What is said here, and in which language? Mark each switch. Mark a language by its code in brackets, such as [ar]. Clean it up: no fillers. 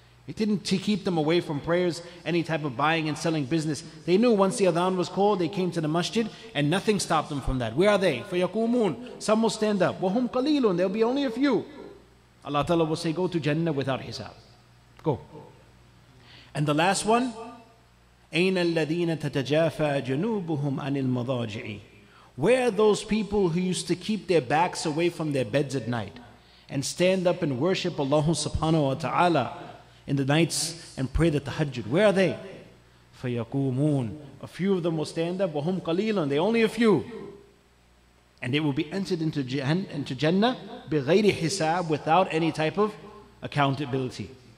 [en] It didn't keep them away from prayers, any type of buying and selling business. They knew once the adhan was called, they came to the masjid, and nothing stopped them from that. Where are they? [ar] فَيَقُومُونَ. [en] Some will stand up. [ar] وَهُمْ قَلِيلٌ. [en] There'll be only a few. Allah Ta'ala will say, go to Jannah without hisab. Go. And the last one, [ar] أَيْنَ الَّذِينَ تَتَجَافَى جُنُوبُهُمْ عَنِ الْمَضَاجِعِ. [en] Where are those people who used to keep their backs away from their beds at night and stand up and worship Allah subhanahu wa ta'ala in the nights and pray the tahajjud? Where are they? Fayaqumun. A few of them will stand up. [ar] Wahum qaleelun. [en] They're only a few. And they will be entered into Jannah bighayri hisab, without any type of accountability.